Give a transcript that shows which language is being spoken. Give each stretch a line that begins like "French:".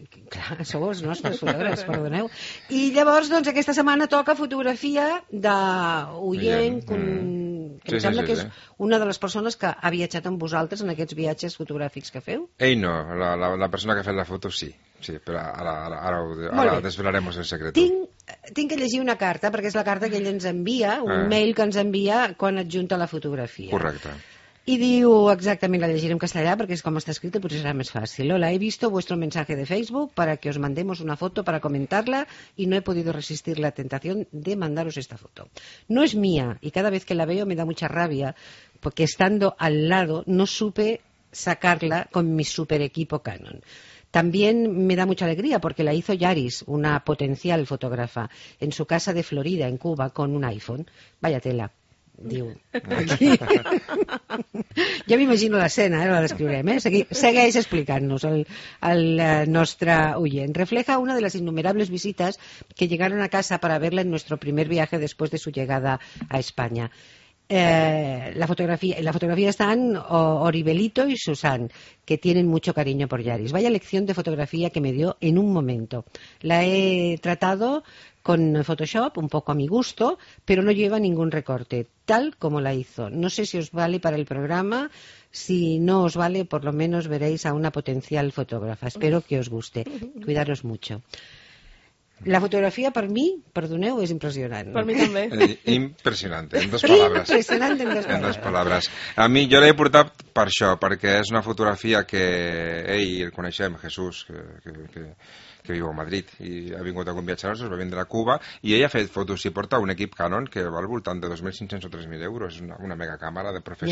Catalan: Clar, sou els nostres fotògrafs, perdoneu. I llavors, doncs, aquesta setmana toca fotografia d'oient, que em sembla que és una de les persones que ha viatjat amb vosaltres en aquests viatges fotogràfics que feu. Ei, no, la persona que ha fet la foto, sí. Sí, però ara desvelarem el secret. Tinc que llegir una carta, perquè és la carta que ell ens envia, un mail que ens envia quan adjunta la fotografia. Correcte.
Spanish: Y digo exactamente, la leeré en castellano porque es como está escrito, pues será más fácil. Hola, he visto vuestro mensaje de Facebook para que os mandemos una foto para comentarla y no he podido resistir la tentación de mandaros esta foto. No es mía y cada vez que la veo me da mucha rabia porque estando al lado no supe sacarla con mi super equipo Canon. También me da mucha alegría porque la hizo Yaris, una potencial fotógrafa, en su casa de Florida, en Cuba, con un iPhone. Vaya tela.
Catalan: Diu, aquí. Ja m'imagino l'escena, la descriurem. Segueix explicant-nos el nostre oient.
Spanish: Refleja una de las innumerables visitas que llegaron a casa para verla en nuestro primer viaje después de su llegada a España. La fotografía están Oribelito y Susan, que tienen mucho cariño por Yaris. Vaya lección de fotografía que me dio en un momento. La he tratado con Photoshop, un poco a mi gusto, pero no lleva ningún recorte, tal como la hizo. No sé si os vale para el programa. Si no os vale, por lo menos veréis a una potencial fotógrafa. Espero que os guste. Cuidaros mucho.
Catalan: La fotografía, per mi, perdoneu, és impressionant. Per mi també. Impressionant, en dues paraules. Impressionant, en dues paraules. En dues paraules. A mi, jo l'he portat per això, perquè és una fotografia que ell, el coneixem, Jesús, que viu a Madrid i ha vingut a un viatge nostre, es va vindre a Cuba, i ell ha fet fotos i porta un equip Canon que va al voltant de 2.500 o 3.000 euros, és una mega càmera de professional.